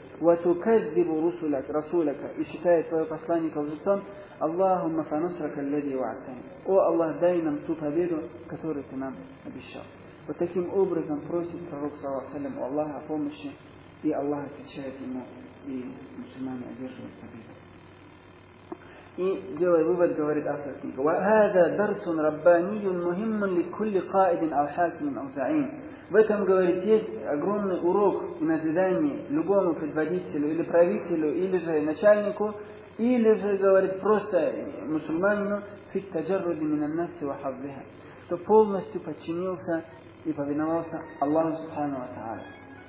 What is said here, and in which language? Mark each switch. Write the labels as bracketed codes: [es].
[ar] وَتُكَذِّبُ رُسُلَكَ رَسُولَكَ [ru] и считает своего посланника лжецом. [ar] Аллахумма фанусрака ллади ваатани. [ru] О Аллах, дай нам ту победу, которую ты нам обещал. Вот таким образом просит пророк саллаллаху алейхи ва саллям у Аллаха о помощи, и Аллах отвечает ему, и мусульмане одерживают победу. И делая вывод, говорит автор книги: [ar] وَهَذَا دَرْسٌ رَبَّانِيٌّ مُهِمٌّ لِكُلِّ قَائِدٍ أَوْ حَاكِمٍ أَوْ زَعِيمٍ. [ru] В этом, говорит, есть огромный урок и назидание любому предводителю или правителю, или же начальнику, или же, говорит, просто мусульманину, [ar] фит таджарруди минан наси ва хаззиха, [ru] что полностью подчинился и повиновался Аллаху субхану ва тааля.